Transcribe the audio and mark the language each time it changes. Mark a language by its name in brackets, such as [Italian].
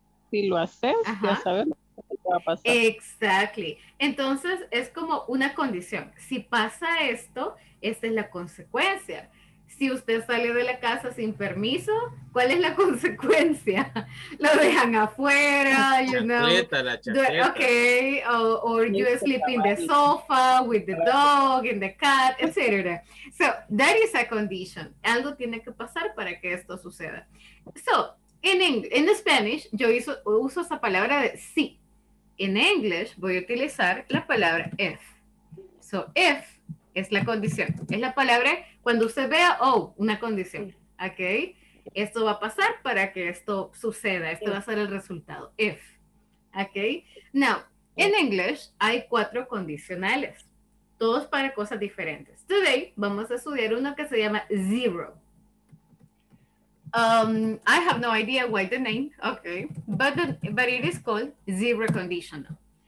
[Spanish] Si lo haces, ya sabes lo que te va a pasar. Exactly. Entonces, es como una condición. Si pasa esto, esta es la consecuencia. Si usted sale de la casa sin permiso, ¿cuál es la consecuencia? Lo dejan afuera, [English] you know. [Spanish] La chaqueta. [English] Okay, or you sleep in the sofa with the dog and the cat, etc. So, that is a condition. [Spanish] Algo tiene que pasar para que esto suceda. [English] So, in Spanish, [Spanish] yo uso esa palabra de sí. [English] In English, [Spanish] voy a utilizar la palabra if. So, if es la condición. Es la palabra cuando usted vea, oh, una condición. Ok. Esto va a pasar para que esto suceda. Este va a ser el resultado. If. Ok. Now, [English] In English, [Spanish] hay cuatro condicionales, todos para cosas diferentes. Today, vamos a estudiar uno que se llama zero. [English] I have no idea why the name, okay, but it is called zero conditional.